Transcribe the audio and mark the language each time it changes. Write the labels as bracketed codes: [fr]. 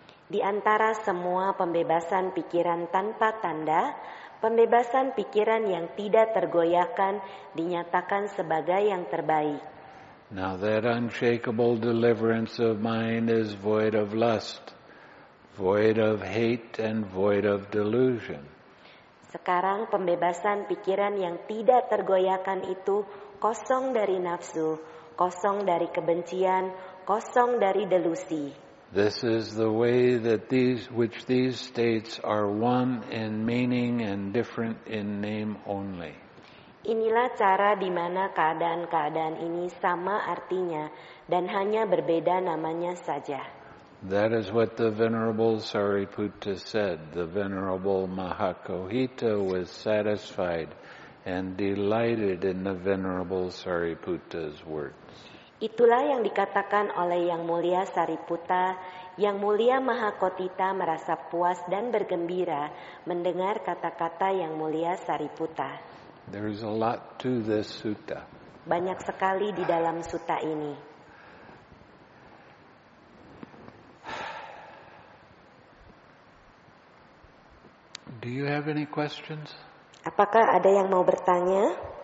[id] Di antara semua pembebasan pikiran tanpa tanda, pembebasan pikiran yang tidak tergoyahkan dinyatakan sebagai yang terbaik. [en] Now that unshakable deliverance of mind is void of lust, void of hate, and void of delusion. [id] Sekarang pembebasan pikiran yang tidak tergoyahkan itu kosong dari nafsu, kosong dari kebencian, kosong dari delusi. [en] This is the way that these states are one in meaning and different in name only. [id] Inilah cara di mana keadaan-keadaan ini sama artinya dan hanya berbeda namanya saja. [en] That is what the Venerable Sariputta said. The Venerable Mahakohita was satisfied and delighted in the Venerable Sariputta's words. [id] Itulah yang dikatakan oleh Yang Mulia Sariputta. Yang Mulia Mahakohita merasa puas dan bergembira mendengar kata-kata Yang Mulia Sariputta. [en] There is a lot to this sutta. [id] Banyak sekali di dalam sutta ini. [en] Do you have any questions? [id] Apakah ada yang mau bertanya?